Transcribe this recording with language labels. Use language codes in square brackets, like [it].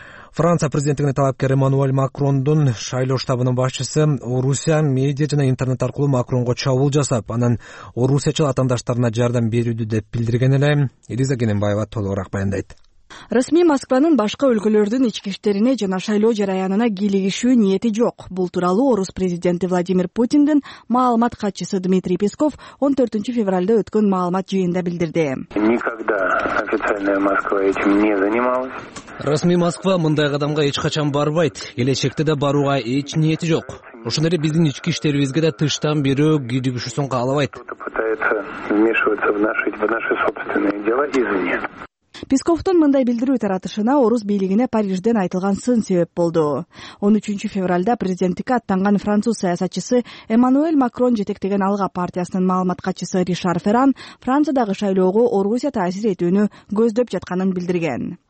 [ky] Франция президенттигине талапкер Эммануэль Макрондун шайлоо штабынын башчысы Орусия медиа жана интернет аркылуу Макронго чабуул жасап, анан орусиячыл атаандаштарына жардам берүүдү деп билдирген эле Элиза Кененбаева толугураак баяндайт. Расмий Москванын башка өлкөлөрдүн ички иштерине жана шайлоо жараянына кийлигишүү ниети жок. Бул тууралуу орус президенти Владимир Путиндин маалымат катчысы Дмитрий Песков 14 февралда өткөн маалымат жыйынында билдирди. [ru] Никогда официальная Москва этим не занималась. [ky] Расмий Москва мындай кадамга эч качан барбайт. Келечекте да барууга эч ниети жок. Ошондой эле биздин ички иштерибизге да тыштан бирөө кийлигишүүсүн каалабайт. [ru] Кто-то пытается вмешиваться в наши собственные дела извне. [ky] Песковтун мындай билдирүү таратышына орус бийлигине Парижден айтылган сын себеп болду. 13 февралда президенттикке аттанган француз саясатчысы Эммануэль Макрон жетектеген Алга партиясынын маалымат катчысы Ришар Ферран Франциядагы шайлоого Орусия таасир этүүнү көздөп жатканын билдирген.